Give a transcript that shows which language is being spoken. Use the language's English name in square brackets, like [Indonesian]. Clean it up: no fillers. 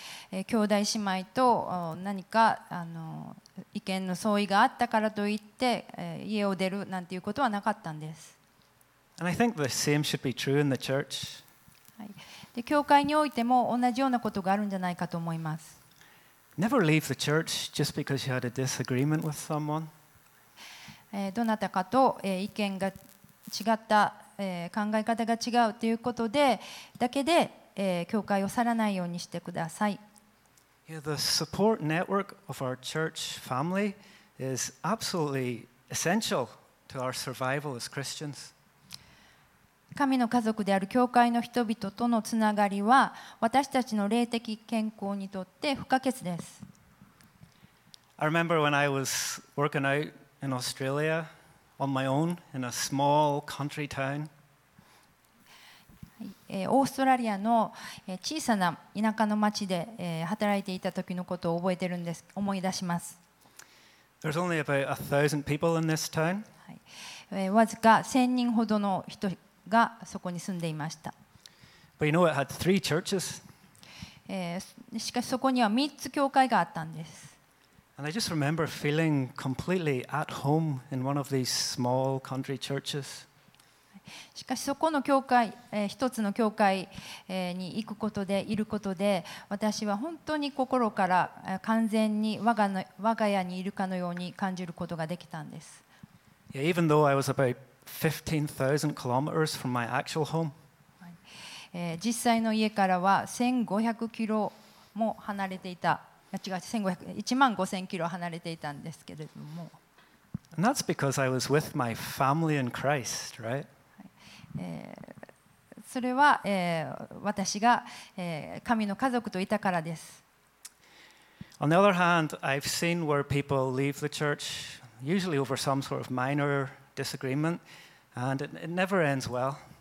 [Japanese] 兄弟姉妹と何か意見の相違があったからといって、家を出るなんていうことはなかったんです。 [English] And I think the same should be true in the church. [Japanese] で、教会においても同じようなことがあるんじゃないかと思います。 [English] Never leave the church just because you had a disagreement with someone. [Japanese] どなたかと意見が違った、考え方が違うということでだけで、教会を去らないようにしてください。 [English] Yeah, the support network of our church family is absolutely essential to our survival as Christians. [Japanese] 神の家族である教会の人々とのつながりは私たちの霊的健康にとって不可欠です。 [English] I remember when I was working out in Australia on my own in a small country town. [Japanese] オーストラリアの小さな田舎の町で働いていた時のことを覚えてるんです。思い出します。 [English] There's only about 1,000 people in this town. [Japanese] わずか1000人ほどの人がそこに住んでいました。 [English] But you know it had three churches. [Japanese] しかしそこには3つ教会があったんです。 [English] And I just remember feeling completely at home in one of these small country churches. [Japanese] しかしそこの教会、一つの教会に行くことでいることで、私は本当に心から完全に我が家にいるかのように感じることができたんです。 [English] Yeah, even though I was about 15,000 kilometers from my actual home. [Japanese] 実際の家からは1500キロも離れていた 1万5000キロ離れていたんですけれども。 [English] And that's because I was with my family in Christ, right? [Japanese] それは、私が、神の家族といたからです。 [English] On the other hand, I've seen where people leave the church, usually over some sort of minor disagreement, and it never ends well.